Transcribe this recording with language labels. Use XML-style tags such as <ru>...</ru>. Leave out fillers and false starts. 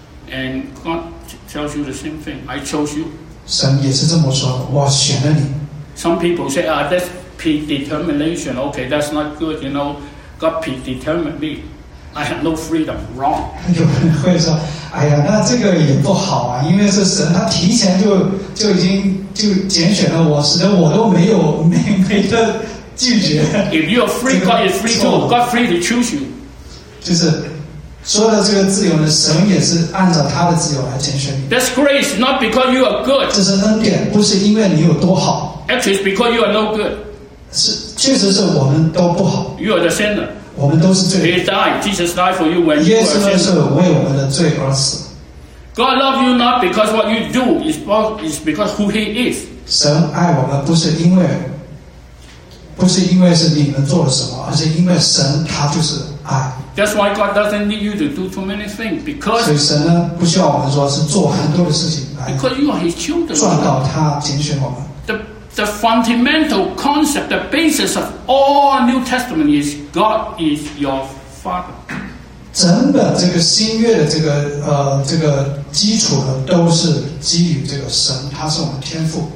<en>And God tells you the same thing. I chose you.</en> <zh>神也是这么说，我选了你。</zh> <en>Some people say, that's. Predetermination, okay, that's not good, you know. God predetermined me. I have no freedom. Wrong.</en> <zh>有人会说，哎呀，那这个也不好啊，因为是神他提前就已经就拣选了我，使得我都没得拒绝。</zh> <en>If you are free, God is free too. God free to choose you.</en> <zh>就是说到这个自由呢，神也是按照他的自由来拣选你。</zh> <en>That's grace, not because you are good.</en> <zh>这是恩典，不是因为你有多好。</zh> <en>Actually, it's because you are no good.</en> <zh>确实是我们都不好。</zh> <en>You are the sinner.</en> <zh>我们都是罪人。</zh> <en>He died. Jesus died for you when you were a sinner.</en> <zh>耶稣是为我们的罪而死。</zh> <en>God loves you not because what you do is but is because who He is.</en> <zh>神爱我们不是因为是你们做了什么，而是因为神他就是爱。</zh> <en>That's why God doesn't need you to do too many things because.</en> <zh>所以神呢不需要我们说是做很多的事情来。</zh> <en>Because you are His children.</en> <zh>赚到他拣选我们。</zh> <en>The fundamental concept, the basis of all New Testament is God is your Father.</en> <zh>整本这个新约的这个这个基础呢，都是基于这个神，他是我们天父。</zh>